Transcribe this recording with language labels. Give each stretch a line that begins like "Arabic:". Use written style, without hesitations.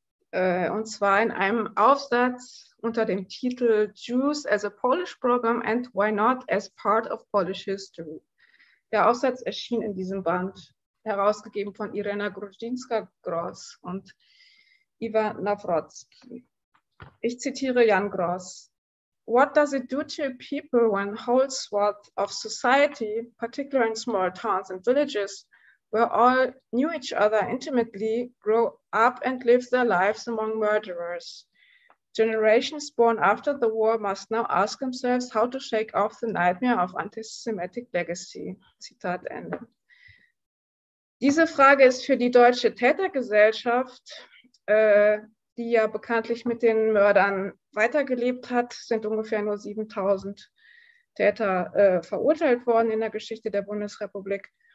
German: Und zwar in einem Aufsatz unter dem Titel
English: Jews as a Polish Problem and Why Not as Part of Polish History.
German: Der Aufsatz erschien in diesem Band, herausgegeben von Irena Grudzinska-Gross und Iwa Nawrocki. Ich zitiere Jan Gross.
English: What does it do to people when whole swaths of society, particularly in small towns and villages, where all knew each other intimately, grow up and live their lives among murderers? Generations born after the war must now ask themselves how to shake off the nightmare of anti-Semitic legacy.
German: Zitat Ende. Diese Frage ist für die deutsche Tätergesellschaft, die ja bekanntlich mit den Mördern weitergelebt hat, sind ungefähr nur 7000 Täter verurteilt worden in der Geschichte der Bundesrepublik.